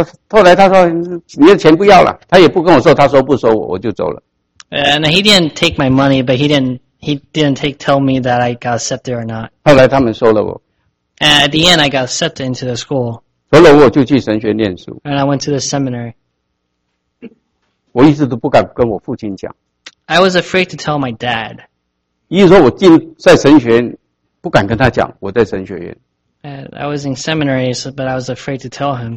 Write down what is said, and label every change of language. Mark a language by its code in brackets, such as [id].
[zh] 后来他说你的钱不要了，他也不跟我说，他说不收我，我就走了。 [en] And he didn't take my money, but he didn't tell me that I got accepted or not. [zh] 后来他们收了我。 [en] And at the end, I got accepted into the school. [zh] 收了我就去神学念书。 [en] And I went to the seminary. [zh] 我一直都不敢跟我父亲讲。 [en] I was afraid to tell my dad. [zh] 意思说我进在神学院，不敢跟他讲我在神学院。 [en] And I was in seminary, but I was afraid to tell him.